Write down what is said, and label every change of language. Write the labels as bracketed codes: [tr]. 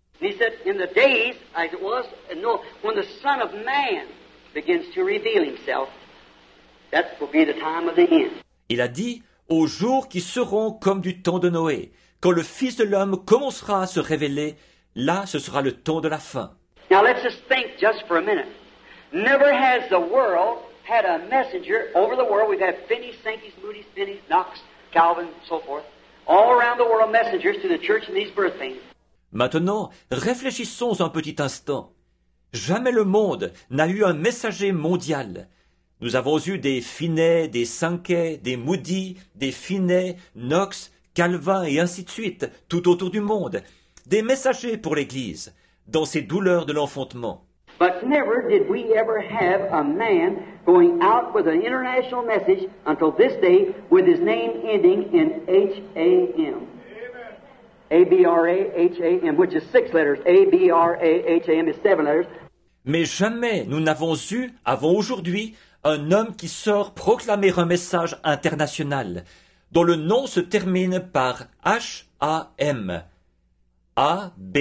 [en] He said, in the days, as it was, no, when the son of man begins to reveal himself, that will be the time of the end. [fr] Il a dit, aux jours qui seront comme du temps de Noé, quand le fils de l'homme commencera à se révéler, là ce sera le temps de la fin. [en] Now let's just think just for a minute. Never has the world had a messenger over the world. We've had Finney, Sankey, Moody, Finney, Knox, Calvin, so forth, all around the world messengers to the church in these birth things. [fr] Maintenant, réfléchissons un petit instant. Jamais le monde n'a eu un messager mondial. Nous avons eu des Finney, des Sankey, des Moody, des Finney, Knox, Calvin et ainsi de suite, tout autour du monde. Des messagers pour l'Église, dans ces douleurs de l'enfantement. [en] But never did we ever have a man going out with an international message until this day with his name ending in H-A-M. A-B-R-A-H-A-M, which is six letters. A-B-R-A-H-A-M is seven letters. [fr] Mais jamais nous n'avons eu, avant aujourd'hui, un homme qui sort proclamer un message international, dont le nom se termine par H-A-M. A-B-R-A-H-A-M.